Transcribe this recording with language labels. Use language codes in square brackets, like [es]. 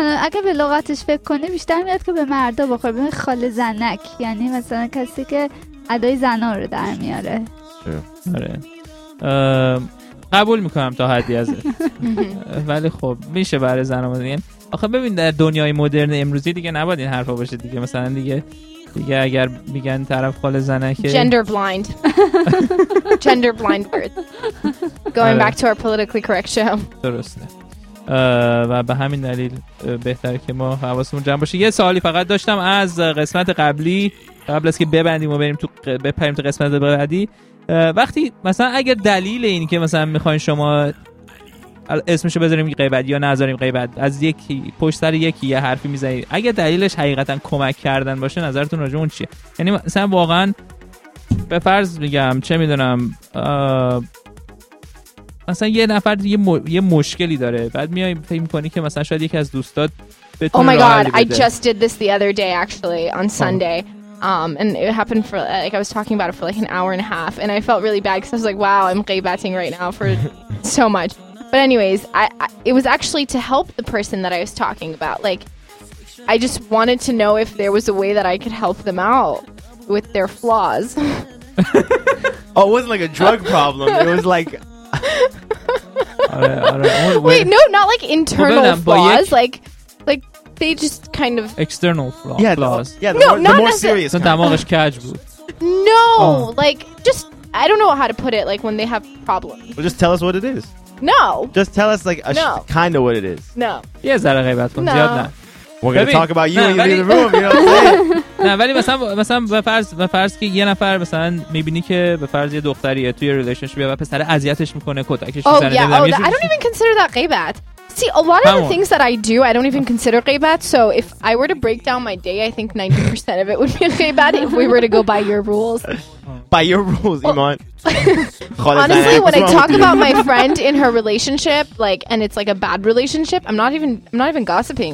[fa] اگه به لغتش فکر کنی بیشتر میاد که به مردا بخوره. ببین خاله زنک یعنی مثلا کسی که ادای زنا رو در میاره. آره. قبول میکنم تا حدی از این، ولی خب میشه برای زن ما دیگه. آخه ببین در دنیای مدرن امروزی دیگه نباید این حرفا باشه دیگه. مثلا دیگه اگر میگن طرف خاله زنکه، [en] gender blind word going back to our politically correct show. [fa] درسته، و به همین دلیل بهتره که ما حواسمون جمع باشه. یه سوالی فقط داشتم از قسمت قبلی، قبل از که ببندیم و بریم تو بپریم تو قسمت بعدی. وقتی مثلا اگر دلیل این که مثلا میخواین شما اسمشو بذاریم غیبت یا نذاریم غیبت، از یکی پشت سر یکی یه حرفی میزنید، اگر دلیلش حقیقتا کمک کردن باشه، نظرتون راجع به اون چیه؟ یعنی مثلا واقعا به فرض میگم چه میدونم مثلا یه نفر یه مشکلی داره، بعد میای فکر میکنی که مثلا شاید یکی از دوستات بتونه. [en] Oh my god, I just did this the other day actually on Sunday. And it happened for like I was talking about it for like an hour and a half, and I felt really bad because I was like, wow, I'm ghibetting right now for so much. But anyways, it was actually to help the person that I was talking about. Like, I just wanted to know if there was a way that I could help them out with their flaws. Oh, it wasn't like a drug problem. It was like. Wait, no, not like internal flaws. Like. They just kind of external flaws. Yeah, flaws. The more serious. So tamagosh catch boot. No, like just I don't know how to put it. Like when they have problems. Well, just tell us what it is. No. Just tell us like kind of what it is. No. [fa] یه ذره غیبت کن زیاد نه. [en] We're going to talk about you and you leave the room, you know what I'm saying? [fa] نه ولی مثلا بفرض که یه نفر مثلا میبینی که بفرض یه دختریه توی ریلیشنشیپ و پسر اذیتش میکنه کتکش میزنه. [en] Oh yeah, I don't even consider that غیبت. See, a lot of the things that I do, I don't even consider غیبت. So if I were to break down my day, I think 90% of it would be غیبت if we were to go by your rules. By your rules, Iman. Honestly, when I talk about my friend in her relationship, like, and it's like a bad relationship, I'm not even gossiping.